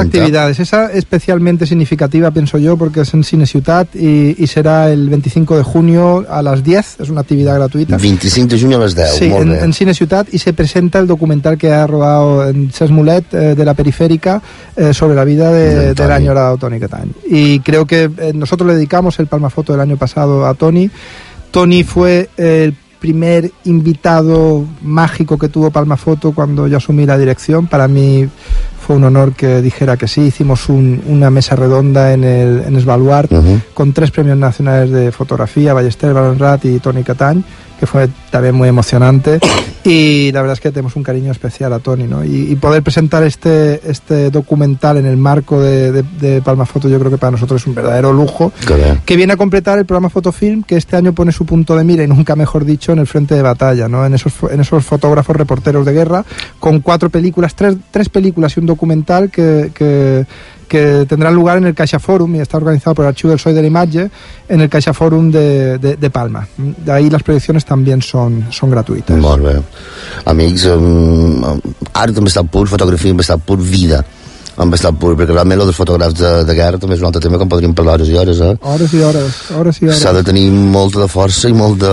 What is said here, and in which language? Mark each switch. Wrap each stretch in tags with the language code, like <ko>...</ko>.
<ca>moltes activitats, esa especialment significativa penso jo perquè és en Cine Ciutat i serà el 25 de juny a les 10, és una activitat gratuïta. 25 de juny a les 10, sí, molt en Cine Ciutat, i se presenta el documental que ha rodat en Cesc Mulet de la perifèrica sobre la vida de l'enyorat d'Antoni Catany.</ca> <es>Y creo que nosotros le dedicamos el Palma Foto del año pasado a Tony. Tony fue el primer invitado mágico que tuvo Palma Foto cuando yo asumí la dirección. Para mí fue un honor que dijera que sí. Hicimos una mesa redonda en Svaluart, uh-huh, con tres premios nacionales de fotografía, Ballester, Ballonrat y Tony Catany, que fue también muy emocionante. Y la verdad es que tenemos un cariño especial a Tony, ¿no? Y poder presentar este documental en el marco de Palma Foto, yo creo que para nosotros es un verdadero lujo. Que viene a completar el programa Fotofilm, que este año pone su punto de mira, y nunca mejor dicho, en el frente de batalla, ¿no? En esos fotógrafos reporteros de guerra, con cuatro películas, tres películas y un documental que tendrá lugar en el Caixa Forum, y está organizado por el Archivo del Soy de la Imagen, en el Caixa Forum de Palma. De ahí las proyecciones también son gratuitas.</es> <ca>Molt bé. Amics, art amb estat pur, fotografia amb estat pur, vida amb estat pur, perquè realment el dels fotògrafs de guerra també és un altre tema que en podríem parlar hores i hores, eh? Hores i hores, hores i hores. S'ha de tenir molta de força i molt de</ca>